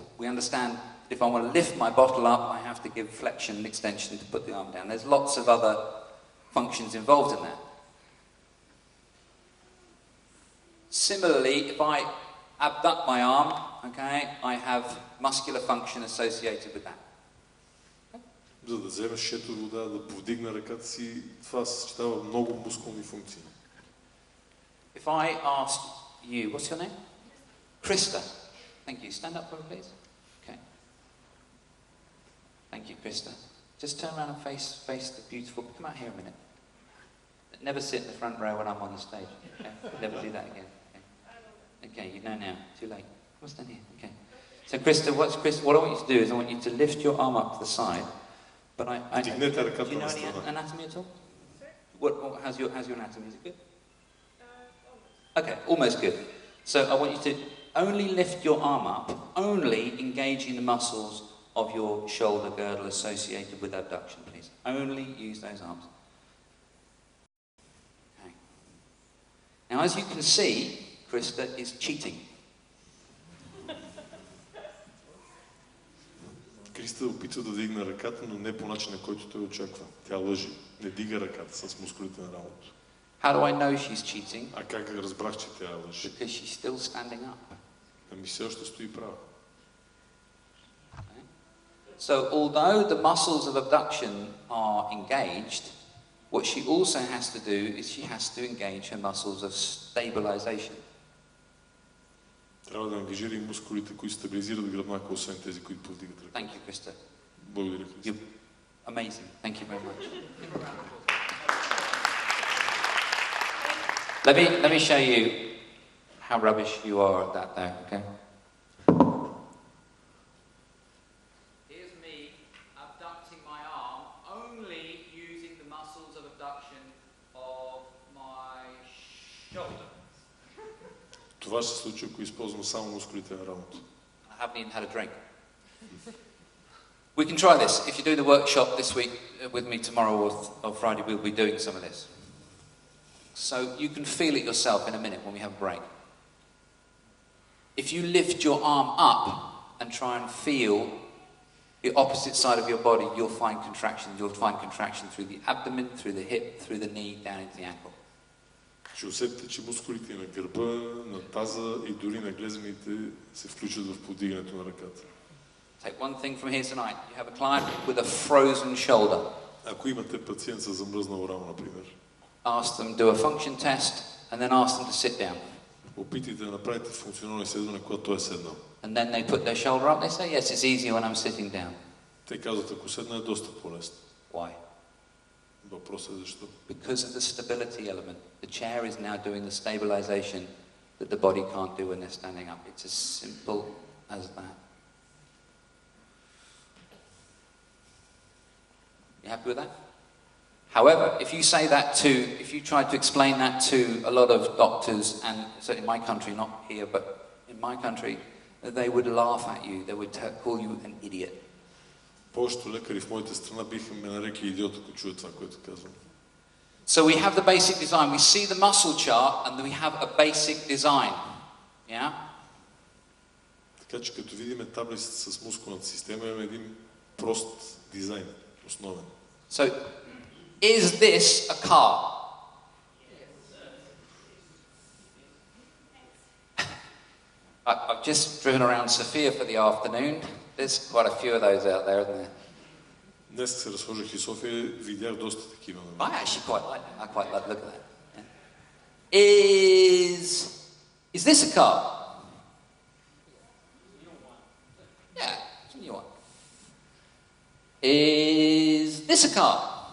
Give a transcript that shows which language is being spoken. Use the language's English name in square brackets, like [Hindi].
[English] We understand if I want to lift my bottle up, I have to give flexion and extension to put the arm down. There's lots of other functions involved in that. Similarly, if I abduct my arm, okay, I have muscular function associated with that. [Bulgarian] За да вземеш шето вода, да подигна ръката си, това съчетава много мускулни функции. [English] If I ask you, what's your name? Krista. Thank you. Stand up for me, please. Okay. Thank you, Krista. Just turn around and face the beautiful. Come out here a minute. But never sit in the front row when I'm on the stage. Okay? Never do that again. Okay, you know now. Too late. Come stand here. Okay. So Krista, what I want you to do is I want you to lift your arm up to the side. But I do you know any anatomy at all? What how's your anatomy? Is it good? Almost. Okay, almost good. So I want you to only lift your arm up, only engaging the muscles of your shoulder girdle associated with abduction, please. Only use those arms. Okay. Now as you can see, Krista is cheating. [Bulgarian] Криста опитва да дигне ръката, но не по начина, който той очаква. Тя лъжи. Не дига ръката с мускулите на рамото. [English] How do I know she's cheating? [Bulgarian] А как разбрах, че тя лъжи? [English] Because she's still standing up. [Bulgarian] Ами все още стои права. [English] So although the muscles of abduction are engaged, what she also has to do is she has to engage her muscles of stabilization. [Bulgarian] Трябва да ангажира и мускулите, които стабилизират гръбнака, освен тези, които повдигат ръка. [English] Thank you, Krista. [Bulgarian] Благодаря, Krista. [English] You're amazing. Thank you very much. Let me show you how rubbish you are at that there, okay? Here's me abducting my arm, only using the muscles of abduction of my shoulder. [Bulgarian] Това се случва, ако използвам само мускулите на рамото. [English] I haven't even had a drink. We can try this. If you do the workshop this week with me tomorrow or Friday, we'll be doing some of this. So you can feel it yourself in a minute when we have a break. If you lift your arm up and try and feel the opposite side of your body, you'll find contraction. You'll find contraction through the abdomen, through the hip, through the knee, down into the ankle. [Bulgarian] Ще усетите, че мускулите на гърба, на таза и дори на глезените се включват в подигането на ръката. [English] Take one thing from here tonight. You have a client with a frozen shoulder. [Bulgarian] Ако имате пациент с замръзнало рамо, например. [English] Ask them do a function test and then ask them to sit down. [Bulgarian] Опитайте да направите функционално изследване, когато той е седнал. [English] And then they put their shoulder up. They say, yes, it's easier when I'm sitting down. [Bulgarian] Те казват, ако седна е доста по-лесно. [English] Why? [Bulgarian] Въпросът е защо? [English] Because of the stability element. The chair is now doing the stabilization that the body can't do when they're standing up. It's as simple as that. You happy with that? However, if you try to explain that to a lot of doctors, and certainly in my country, not here, but in my country, they would laugh at you. They would call you an idiot. [Bulgarian] Повечето лекари в моята страна биха ме нарекли идиот, ако чуят това, което казвам. [English] So we have the basic design. We see the muscle chart and we have a basic design. Yeah? [Bulgarian] Така че като видим таблицата с мускулната система, имаме един прост дизайн, основен. [English] So, is this a car? Yes. I've just driven around Sofia for the afternoon. There's quite a few of those out there, isn't there? [Bulgarian] Днес се разхождах и София, видях доста такива. [English] I quite like look at that. Yeah. Is this a car? Yeah, it's a new one. Is this a car?